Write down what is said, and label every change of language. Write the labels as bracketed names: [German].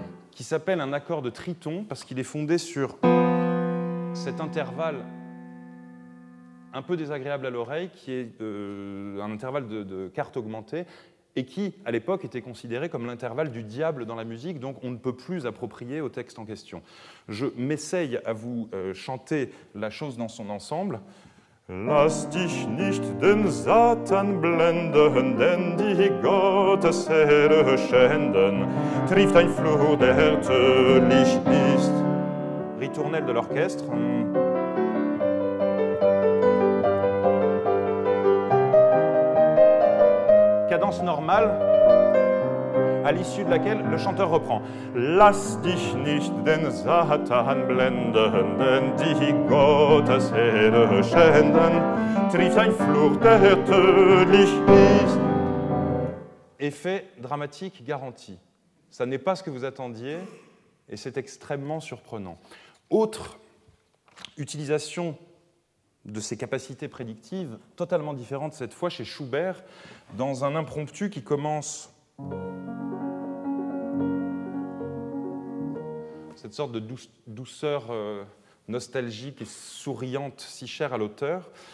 [French] qui s'appelle un accord de triton parce qu'il est fondé sur cet intervalle un peu désagréable à l'oreille, qui est un intervalle de quarte augmentée, et qui, à l'époque, était considéré comme l'intervalle du diable dans la musique, donc on ne peut plus approprier au texte en question. Je m'essaye à vous chanter la chose dans son ensemble. [German] Lass dich nicht den Satan blenden, denn die Gottesehre schänden, trifft ein Fluch, der tödlich ist. [French] Ritournelle de l'orchestre. Cadence normale, à l'issue de laquelle le chanteur reprend. [German] Lass dich nicht den Satan blenden, denn die Gottesehre schänden, trifft ein Fluch, der tödlich ist. [French] Effet dramatique garanti. Ça n'est pas ce que vous attendiez, et c'est extrêmement surprenant. Autre utilisation de ses capacités prédictives, totalement différentes cette fois chez Schubert, dans un impromptu qui commence cette sorte de douceur nostalgique et souriante si chère à l'auteur.